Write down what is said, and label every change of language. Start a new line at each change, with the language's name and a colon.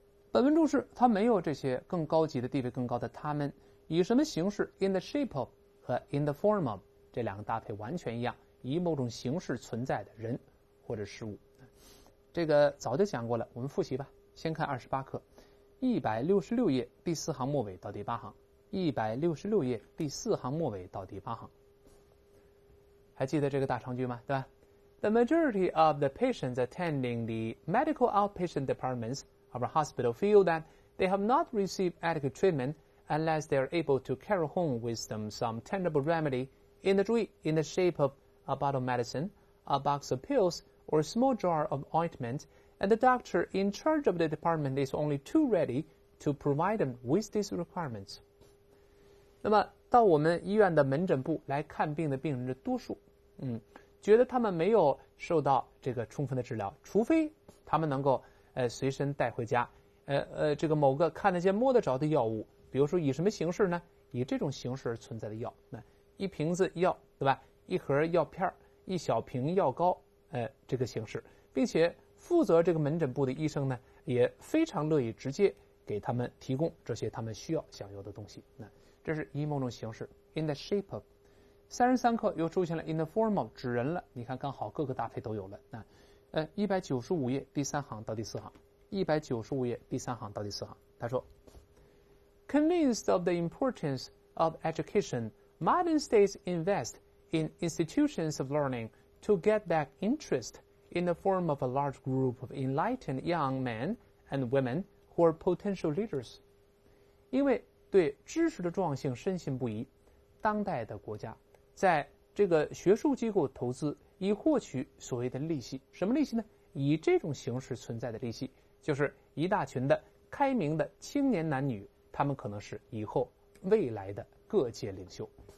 Chinese: 本文注释它没有这些更高级的、地位更高的，他们以什么形式
English: in the shape of
Chinese: 和
English: in the form of
Chinese: 这两个搭配完全一样，以某种形式存在的人或者事物。这个早就讲过了，我们复习吧。先看28课，166页第四行末尾到第八行，166页第四行末尾到第八行。还记得这个大长句吗？对吧 ？
English: The majority of the patients attending the medical outpatient departments of our hospital feel that they have not received adequate treatment unless they are able to carry home with them some tangible remedy in the shape of a bottle of medicine, a box of pills. Or a small jar of ointment, and the doctor in charge of the department is only too ready to provide them with these requirements.
Chinese: 那么到我们医院的门诊部来看病的病人的多数，觉得他们没有受到这个充分的治疗，除非他们能够随身带回家，这个某个看得见摸得着的药物，比如说以什么形式呢？以这种形式存在的药，那一瓶子药，对吧？一盒药片，一小瓶药膏。这个形式，并且负责这个门诊部的医生呢，也非常乐意直接给他们提供这些他们需要享用的东西。那这是以某种形式
English: in the shape of。
Chinese: 33课又出现了
English: in the form of
Chinese: 指人了，你看刚好各个搭配都有了。那195页第三行到第四行，195页第三行到第四行，他说
English: ，convinced of the importance of education, modern states invest in institutions of learning. To get back interest in the form of a large group of enlightened young men and women who are potential leaders.
Chinese: 因为对知识的重要性深信不疑，当代的国家在这个学术机构投资以获取所谓的利息。什么利息呢？以这种形式存在的利息，就是一大群的开明的青年男女，他们可能是以后未来的各界领袖。